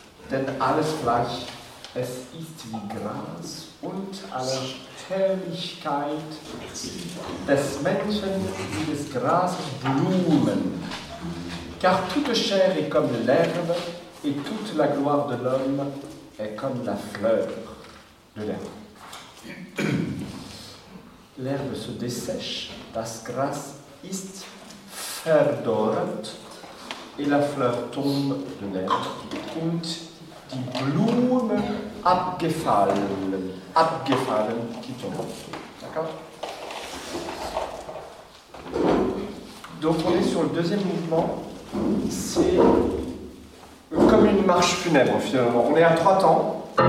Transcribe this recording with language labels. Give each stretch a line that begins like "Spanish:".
German: Denn alles Fleisch, es ist wie Gras und aller Herrlichkeit des Menschen wie des Grases Blumen.
French: Car toute chair est comme l'herbe et toute la gloire de l'homme est comme la fleur de l'herbe. L'herbe se dessèche,
German: das Gras ist verdorrt
French: et la fleur tombe de l'herbe.
German: Und die Blume abgefallen, abgefallen,
French: qui tombe. D'accord ? Donc on est sur le deuxième mouvement. C'est comme une marche funèbre finalement. On est à trois temps.